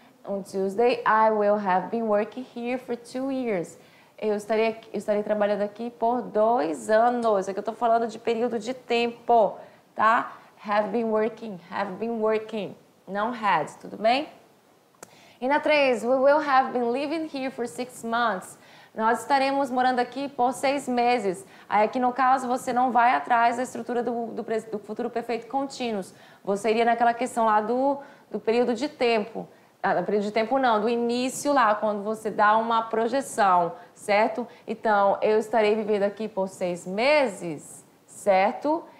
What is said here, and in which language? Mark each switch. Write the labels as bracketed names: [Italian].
[English] On Tuesday, I will have been working here for 2 years. [Portuguese] Eu estarei trabalhando aqui por 2 anos. É que eu estou falando de período de tempo, tá? [English] Have been working. [Portuguese] Não had, tudo bem? E na 3, [English] we will have been living here for 6 months. [Portuguese] Nós estaremos morando aqui por 6 meses. Aí aqui no caso, você não vai atrás da estrutura do futuro perfeito contínuo. Você iria naquela questão lá do período de tempo. Ah, no período de tempo não, do início lá, quando você dá uma projeção, certo? Então, eu estarei vivendo aqui por 6 meses, certo?